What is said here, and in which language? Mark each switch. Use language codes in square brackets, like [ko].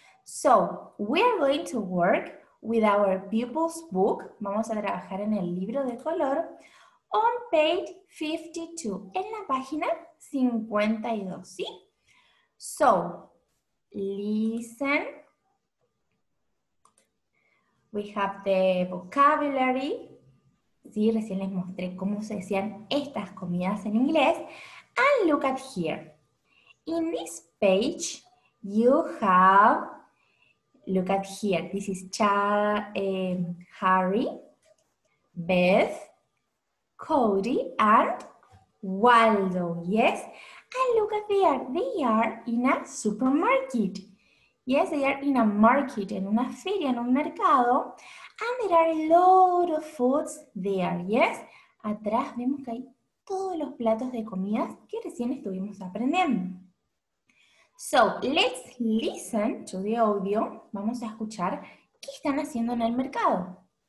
[en] So, we're going to work with our pupil's book. [es] Vamos a trabajar en el libro de color. [en] On page 52. [es] En la página 52, ¿sí? [en] So, listen. We have the vocabulary. [es] Sí, recién les mostré cómo se decían estas comidas en inglés. [en] And look at here. In this page, you have, look at here. This is Harry, Beth, Cody, and Waldo. Yes? And look at there. They are in a supermarket. Yes, they are in a market, [es] en una feria, en un mercado. [en] And there are a lot of foods there, yes. [es] Atrás vemos que hay todos los platos de comidas que recién estuvimos aprendiendo. [en] So, let's listen to the audio. [es] Vamos a escuchar qué están haciendo en el mercado.